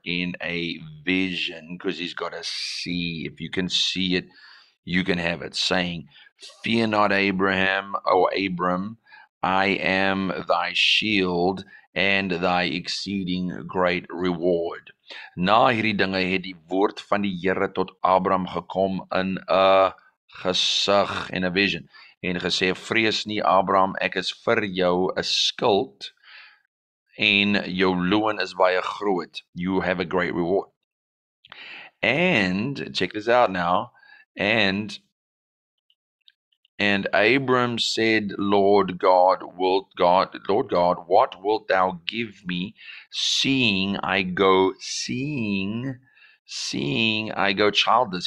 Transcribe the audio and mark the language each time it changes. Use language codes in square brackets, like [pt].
[en] In a vision, because he's got to see. If you can see it, you can have it, saying, fear not, Abraham, or Abram, I am thy shield and thy exceeding great reward. [af] Na hierdie dinge het die woord van die Here tot Abram gekom in 'n gesig en 'n vision en gesê: "Vrees nie, Abram, ek is vir jou 'n skild en jou loon is baie groot. [en] You have a great reward." And check this out now. And Abram said, Lord God, what wilt thou give me, seeing I go childless?